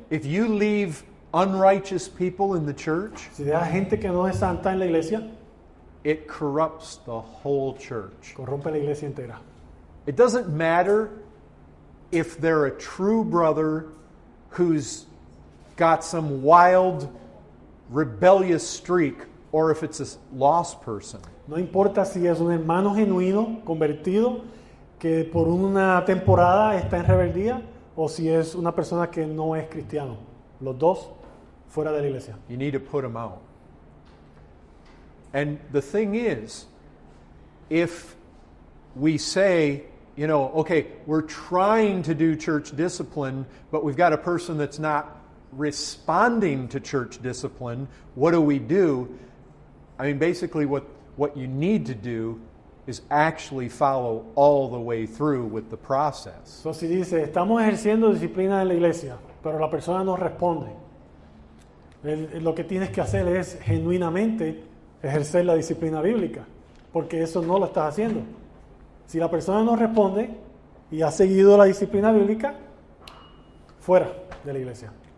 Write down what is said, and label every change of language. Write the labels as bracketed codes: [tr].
[en] if you leave unrighteous people in the church, [es] si dejas gente que no es santa en la iglesia, [en] it corrupts the whole church. [es] Corrompe la iglesia entera. [en] It doesn't matter if they're a true brother who's got some wild rebellious streak or if it's a lost person. [es] No importa si es un hermano genuino, convertido, que por una temporada está en rebeldía, o si es una persona que no es cristiano. Los dos fuera de la iglesia. [en] You need to put them out. And the thing is, if we say, you know, okay, we're trying to do church discipline, but we've got a person that's not responding to church discipline, what do we do? I mean, basically what you need to do is actually follow all the way through with the process. [es] So si dice, estamos ejerciendo disciplina en la iglesia, pero la persona no responde. Lo que tienes que hacer es genuinamente ejercer la disciplina bíblica, porque eso no lo estás haciendo. Si la persona no responde y ha seguido la disciplina bíblica, fuera de la iglesia.